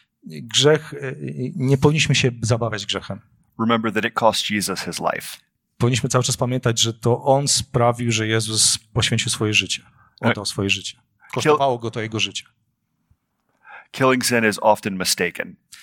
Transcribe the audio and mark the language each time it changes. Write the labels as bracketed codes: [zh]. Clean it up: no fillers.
[pl] Grzech, nie powinniśmy się zabawiać grzechem. [en] Remember that it cost Jesus his life. [pl] Powinniśmy cały czas pamiętać, że to on sprawił, że Jezus poświęcił swoje życie. Oddał swoje życie. Kosztowało go to jego życie. [en] Killing sin is often mistaken.